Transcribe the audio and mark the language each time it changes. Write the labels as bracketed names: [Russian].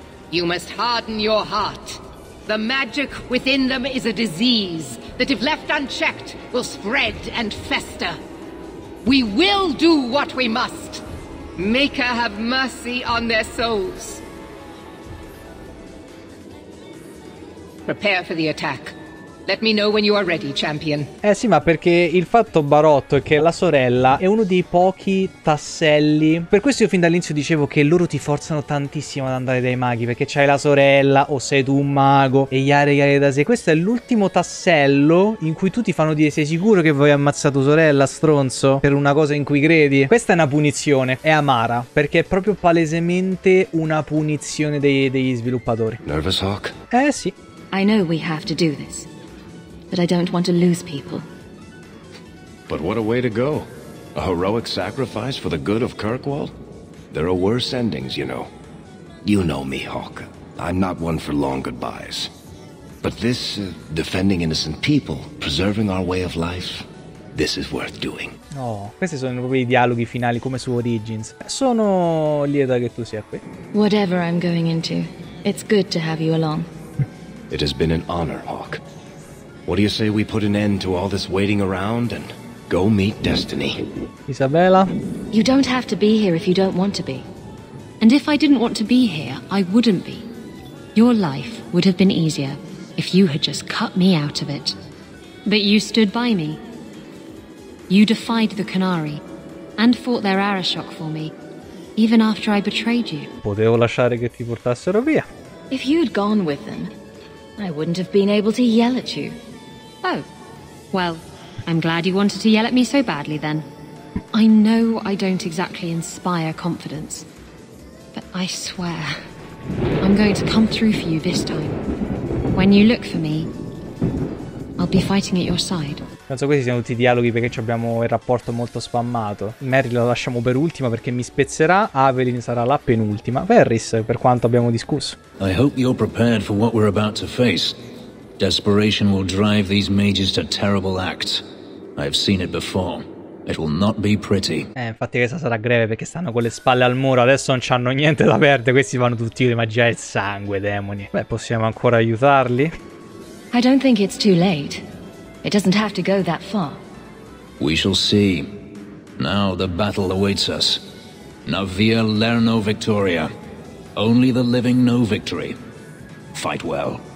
[English] You must harden your heart. The magic within them is a disease that, if left unchecked, will spread and fester. We will do what we must. Maker, have mercy on their souls. Prepare for the attack. Let me know when you are ready, champion. [Italian] Eh sì, ma perché il fatto barotto è che la sorella è uno dei pochi tasselli. Per questo io fin dall'inizio dicevo che loro ti forzano tantissimo ad andare dai maghi, perché c'hai la sorella o sei tu un mago e [Japanese] yare yare [Italian] da sé. Questo è l'ultimo tassello in cui tu ti fanno dire: sei sicuro che vuoi ammazzare tua sorella, stronzo, per una cosa in cui credi? Questa è una punizione, è amara, perché è proprio palesemente una punizione degli sviluppatori. [English] Nervous Hawk? [Italian] Eh sì. [English] I know we have to do this, but I don't want to lose people. But what a way to go. A heroic sacrifice for the good of Kirkwall? There are worse endings, you know. You know me, Hawk. I'm not one for long goodbyes. But this, defending innocent people, preserving our way of life, this is worth doing. [Italian] Oh, questi sono proprio i dialoghi finali come su Origins. Sono lieta che tu sia qui. [English] Whatever I'm going into, it's good to have you along. It has been an honor, Hawk. What do you say we put an end to all this waiting around and go meet destiny? Isabella? You don't have to be here if you don't want to be. And if I didn't want to be here, I wouldn't be. Your life would have been easier if you had just cut me out of it. But you stood by me. You defied the Canari and fought their Arashok for me, even after I betrayed you. [Italian] Potevo lasciare che ti portassero via. [English] If you'd gone with them, I wouldn't have been able to yell at you. Oh, well, I'm glad you wanted to yell at me so badly then. I know I don't exactly inspire confidence, but I swear, I'm going to come through for you this time. When you look for me, I'll be fighting at your side. [Italian] Penso questi siano tutti dialoghi perché abbiamo il rapporto molto spammato. Mary la lasciamo per ultima perché mi spezzerà, Avelyn sarà la penultima, Ferris per quanto abbiamo discusso. [English] I hope you're prepared for what we're about to face. Desperation will drive these mages to terrible acts. I've seen it before. It will not be pretty. [Italian] Infatti questa sarà greve perché stanno con le spalle al muro. Adesso non c'hanno niente da perdere. Questi fanno tutti le magie e sangue, demoni. Beh, possiamo ancora aiutarli? [English] I don't think it's too late. It doesn't have to go that far. We shall see. Now the battle awaits us. Navia Lerno Victoria. Only the living know victory. Fight well.